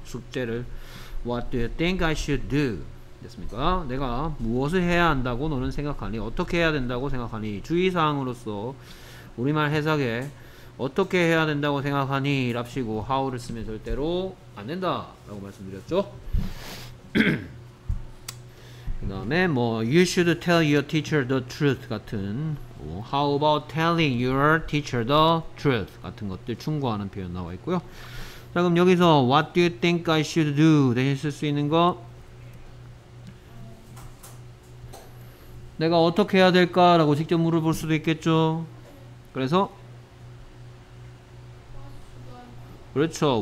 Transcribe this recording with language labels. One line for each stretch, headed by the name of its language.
Korean: 숙제를.
English: What do you think I should do? 됐습니까?
Korean: 내가 무엇을 해야 한다고 너는 생각하니? 어떻게 해야 된다고 생각하니? 주의사항으로서 우리말 해석에 어떻게 해야 된다고 생각하니? 랍시고 how를 쓰면 절대로 안 된다 라고 말씀드렸죠.
English: 그 다음에 뭐 you should tell your teacher the truth
Korean: 같은
English: How about telling your teacher the truth?
Korean: 같은 것들 충고하는 표현 나와 있고요. 자, 그럼 여기서
English: What do you think I should do?
Korean: 대신 쓸 수 있는 거 내가 어떻게 해야 될까? 라고 직접 물어볼 수도 있겠죠. 그래서 그렇죠.